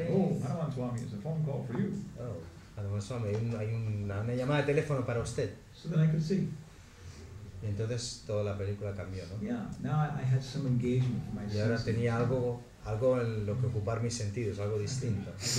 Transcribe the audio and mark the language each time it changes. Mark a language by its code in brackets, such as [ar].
[en] Oh, Hanuman Swami, it's a phone call for you. [es] Oh, Hanuman Swami, hay una llamada de teléfono para usted. [en] So then I could see. [es] Y entonces toda la película cambió, ¿no? [en] Yeah, now I had some engagement with myself. [es] Y ahora tenía algo algo en lo que ocupar mis sentidos, algo distinto.